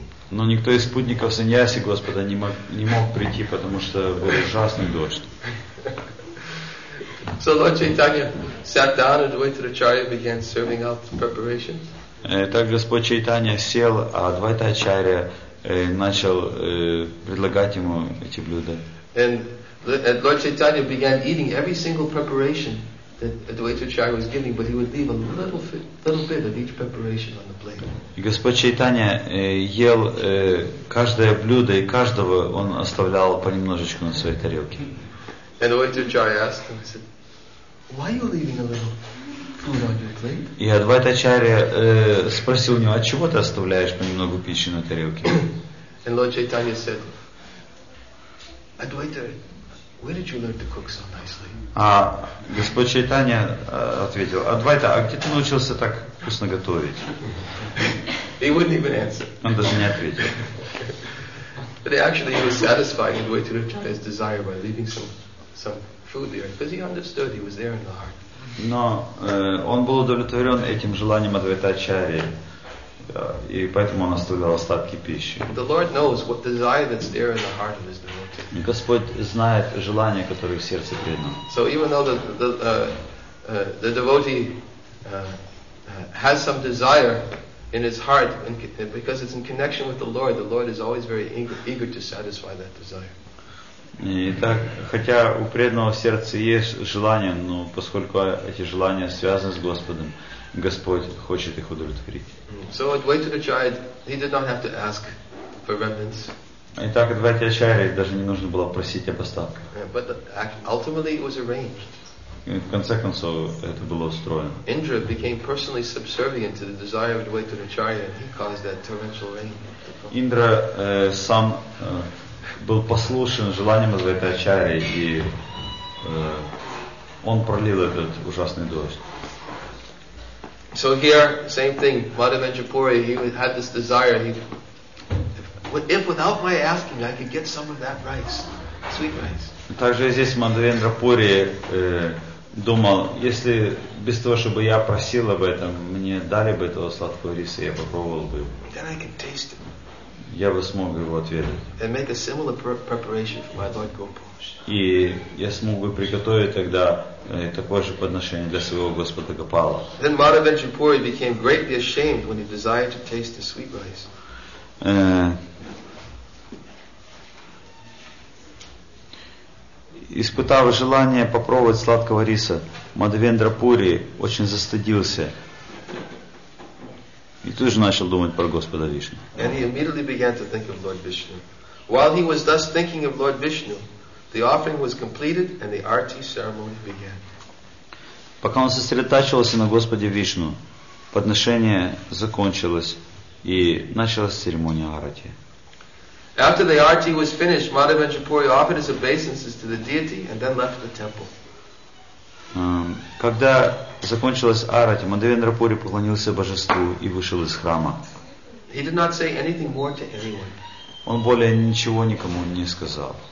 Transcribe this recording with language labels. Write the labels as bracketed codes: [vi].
[ru] Но никто из спутников саньяси Господа не мог прийти, потому что был ужасный дождь. [en] So Lord Chaitanya sat down and Dvaita-acharya began serving out the preparations. [ru] Так Господь Чайтанья сел, а Двайта-ачарья начал предлагать ему эти блюда. [en] And Lord Chaitanya began eating every single preparation that Dvaita-acharya was giving, but he would leave a little bit of each preparation on the plate. [ru] Господь Чайтанья ел каждое блюдо, и каждого он оставлял понемножечку на своей тарелке. [en] And Dvaita-acharya asked him, he said, "Why are you leaving a little food on your plate?" [ru] И Адвайта-ачарья спросил у него, "От чего ты оставляешь понемногу пищи на тарелке?" [en] And Lord Chaitanya said, "Advaita, where did you learn to cook so nicely?" [ru] А Господь Чайтанья ответил: "Адвайта, а где ты научился так вкусно готовить?" [en] He wouldn't even answer. [ru] Он даже не ответил. [en] But actually, he was satisfying Advaita's desire by leaving some food there, because he understood he was there in the heart. [ru] Но он был удовлетворен этим желанием Адвайта-ачарьи, и поэтому он оставлял остатки пищи. [en] The Lord knows what desire that's there in the heart of his devotee. [ru] Господь знает желание, которое в сердце преданного. [en] So even though the devotee has some desire in his heart, and because it's in connection with the Lord is always very eager to satisfy that desire. [ru] Итак, хотя у преданного в сердце есть желание, но поскольку эти желания связаны с Господом, Господь хочет их удовлетворить. [en] So Advaita-acharya, he did not have to ask for remnants. [ru] Итак, Advaita-acharya даже не нужно было просить об остатках. [en] But ultimately it was arranged. [ru] В конце концов, это было устроено. [en] Indra became personally subservient to the desire of Advaita-acharya, and he caused that torrential rain. [ru] Индра сам был послушен желанием Advaita-acharya, и он пролил этот ужасный дождь. [en] So here, same thing. Madhavendra Puri, he had this desire. If without my asking, I could get some of that rice, sweet rice. [ru] Также здесь Мадхавендра Пури думал, если без того, чтобы я просил об этом, мне дали бы этого сладкого риса, я попробовал бы. [en] Then I can taste it. [ru] Я бы смог его отведать. [en] And make a similar preparation for my Lord Gopalesh. [ru] И я смог бы приготовить тогда такое же подношение для своего Господа Гопала. [en] Then Madhavendra Puri became greatly ashamed when he desired to taste the sweet rice. [ru] Испытав желание попробовать сладкого риса, Мадхавендра Пури очень застыдился. И тут же начал думать про Господа Вишну. [en] And he immediately began to think of Lord Vishnu. While he was thus thinking of Lord Vishnu, the offering was completed and the arti ceremony began. [ru] Пока он сосредотачивался на Господе Вишну, подношение закончилось и началась церемония арти. [en] After the arti was finished, Madhavendra Puri offered his obeisances to the deity and then left the temple. [ru] Когда закончилась арати, Мадхавендра Пури поклонился божеству и вышел из храма. [en] He did not say anything more to anyone. [ru] Он более ничего никому не сказал.